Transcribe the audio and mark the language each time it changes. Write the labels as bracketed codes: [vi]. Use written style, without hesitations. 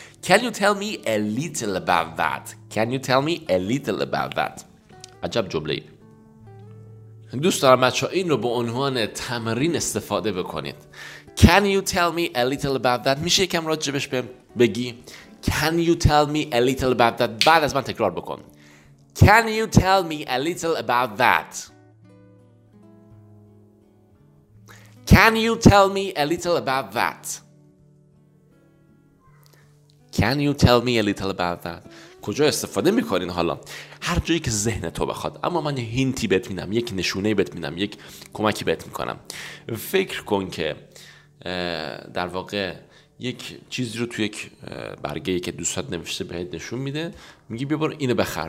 [en] Can you tell me a little about that? Can you tell me a little about that? [fa] عجب جمله‌ای. دوست دارم بچه ها این رو به عنوان تمرین استفاده بکنید. [en] Can you tell me a little about that? [fa] میشه یکم راجبش بگی؟ [en] Can you tell me a little about that? [fa] بعد از من تکرار بکن. [en] Can you tell me a little about that? Can you tell me a little about that? Can you tell me a little about that? [fa] کجا استفاده میکنین حالا؟ هر جایی که ذهن تو بخواد. اما من یه هینتی بهت میدم، یک نشونه بهت میدم، یک کمکی بهت میکنم. فکر کن که در واقع یک چیزی رو توی یک برگه‌ای که دوستت نوشته بهت نشون میده، میگی بیا برو اینو بخر.